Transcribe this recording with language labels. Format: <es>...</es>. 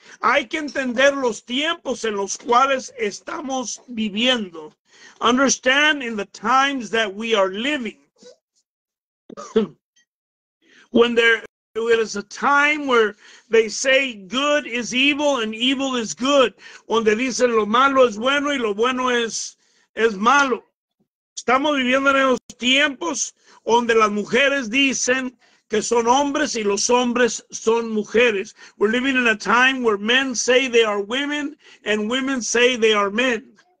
<es>Hay que entender los tiempos en los cuales estamos viviendo.</es> <en>Understand in the times that we are living. When there it is a time where they say good is evil and evil is good.</en> <es>Donde dicen lo malo es bueno y lo bueno es malo. Estamos viviendo en los tiempos donde las mujeres dicen que son hombres y los hombres son mujeres.</es> <en>We're living in a time where men say they are women and women say they are men.</en>